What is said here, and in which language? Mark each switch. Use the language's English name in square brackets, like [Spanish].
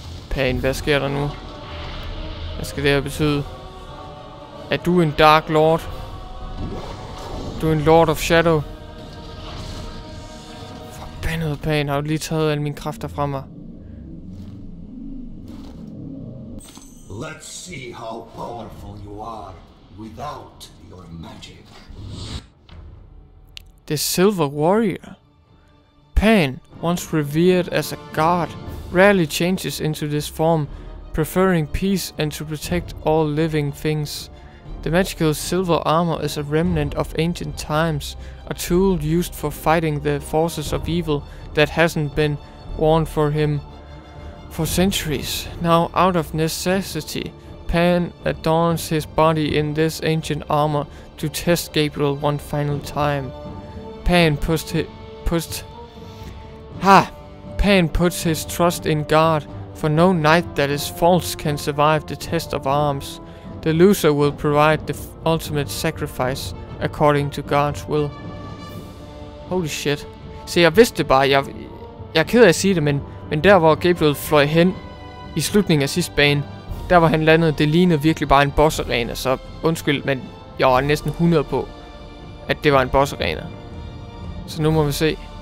[Danish] Pain, hvad sker der nu? Hvad skal det her betyde? Er du en Dark Lord? Du er en Lord of Shadow? Forbandet, Pain. Har du lige taget alle mine kræfter fra mig? [English] Let's see how powerful you are without your magic. The Silver Warrior. Pain, once revered as a god, rarely changes into this form, preferring peace and to protect all living things. The magical silver armor is a remnant of ancient times, a tool used for fighting the forces of evil that hasn't been worn for him. for centuries. Now, out of necessity, Pan adorns his body in this ancient armor to test Gabriel one final time. Pan puts his trust in God, for no knight that is false can survive the test of arms. The loser will provide the ultimate sacrifice according to God's will. Holy shit. [Danish] Se, jeg vidste bare, jeg er ked af at sige det, men der hvor Gabriel fløj hen i slutningen af sidste bane, der hvor han landede, det lignede virkelig bare en boss arena, så undskyld, men jeg var næsten 100 på, at det var en boss arena. Så nu må vi se.